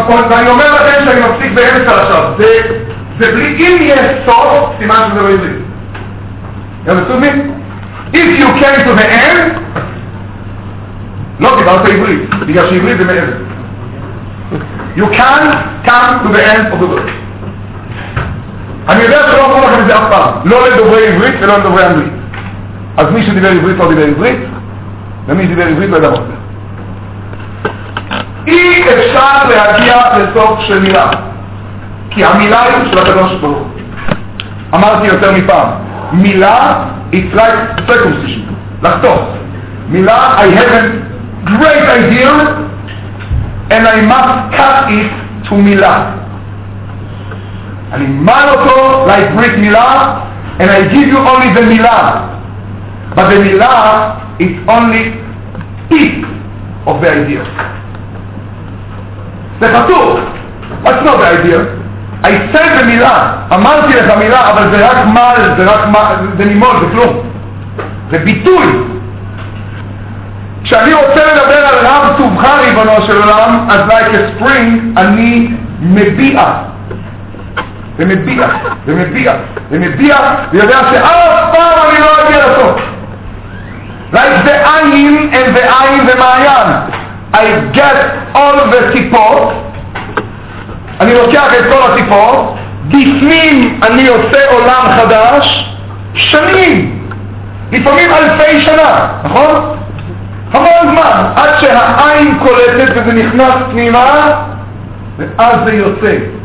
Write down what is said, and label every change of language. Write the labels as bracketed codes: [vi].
[he] ואני אומר לכם שאני מפסיק באמצע עכשיו. זה בלי, אם יש סוף, סימן שזה לא עברית. יום מסובים? [en] If you came to the end, [he] לא דיברת עברית, בגלל שעברית זה מעבר. [en] You can come to the end of the book. [he] אני יודע שלא אמרו לכם את זה אף פעם, לא לדוברי עברית ולא לדוברי אנגלית. אז מי שדיבר עברית לא דיבר עברית, ומי שדיבר עברית לא ידע מה זה. אי אפשר להגיע לסוף של מילה, כי המילה היא של הקדוש ברוך הוא. אמרתי יותר מפעם, מילה [en] it's like circumcision, [he] לחתוך. [en] מילה, I have a great idea and I must cut it to מילה. [he] אני מל אותו [en] like ברית מילה and I give you only the מילה. But the מילה is only peak of the idea. [he] זה חתוך, [en] what's not the idea? I said the [he] מילה, אמרתי לך מילה, אבל זה רק מל, זה רק מל, זה נימול, זה כלום. זה ביטוי. כשאני רוצה לדבר על רב טובך ריבונו של עולם, אז [en] like a spring, [he] אני מביאה. ומביאה. ויודע שאף פעם אני לא אגיע לסוף. [en] Like the עין, and the עין ומעיין. I get all the טיפות. [he] אני לוקח את כל הטיפות, בפנים אני עושה עולם חדש, שנים, לפעמים אלפי שנה, נכון? המון זמן, עד שהעין קולטת וזה נכנס פנימה, ואז זה יוצא.